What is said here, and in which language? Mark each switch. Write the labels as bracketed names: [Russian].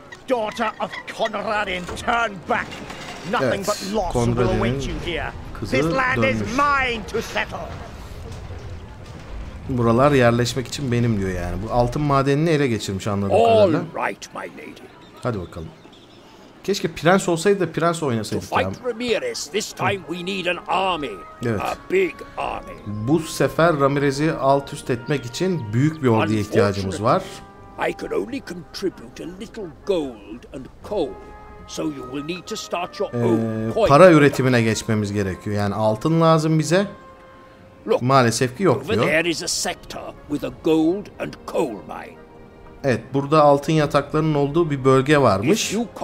[English] Daughter of Conradin, turn back. Nothing but loss will await you here. This land is mine to settle. [Turkish] Buralar yerleşmek için benim diyor yani. Bu altın madenini ele geçirmiş anladığım kadarıyla. [English] All right, my lady. [Turkish] Hadi bakalım. Keşke prens olsaydı da prens oynasaydık. [English] To fight Ramirez, this time we need an army. [Turkish] Evet. [English] A big army. [Turkish] Bu sefer Ramirez'i alt üst etmek için büyük bir orduya ihtiyacımız var. [English] I could only contribute a little gold and coal, so you will need to start your own coin. [Turkish] Para üretimine geçmemiz gerekiyor. Yani altın lazım bize. [English] Look, [Turkish] maalesef ki yok diyor. [English] There is a sector with a gold and coal mine. [Turkish] Evet, burada altın yataklarının olduğu bir bölge varmış.